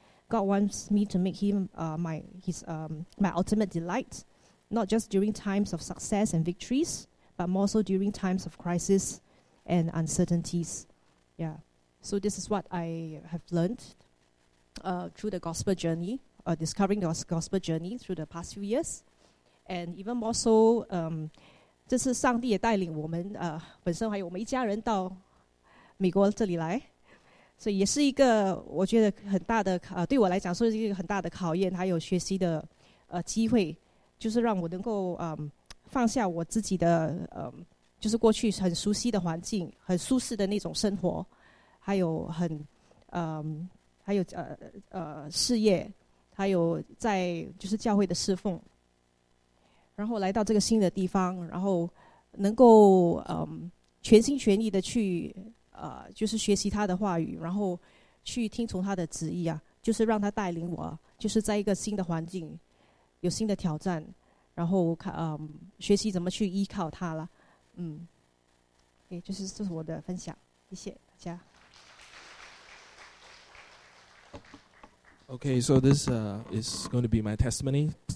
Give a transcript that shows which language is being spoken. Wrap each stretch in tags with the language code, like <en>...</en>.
<en>God wants me to make him my ultimate delight, not just during times of success and victories, but more so during times of crisis and uncertainties. Yeah. So this is what I have learned through the gospel journey, discovering the gospel journey through the past few years. And even more so,</en> <zh>这次上帝也带领我们本身还有我们一家人到美国这里来，所以也是一个我觉得很大的对我来讲说是一个很大的考验，还有学习的机会，就是让我能够放下我自己的就是过去很熟悉的环境，很舒适的那种生活，还有很还有事业，还有在就是教会的侍奉，然后来到这个新的地方，然后能够全心全意的去就是学习他的话语，然后去听从他的旨意啊，就是让他带领我，就是在一个新的环境，有新的挑战，然后学习怎么去依靠他了。嗯，也就是这是我的分享，谢谢大家。</zh> <en>Okay, so this is going to be my testimony.</en>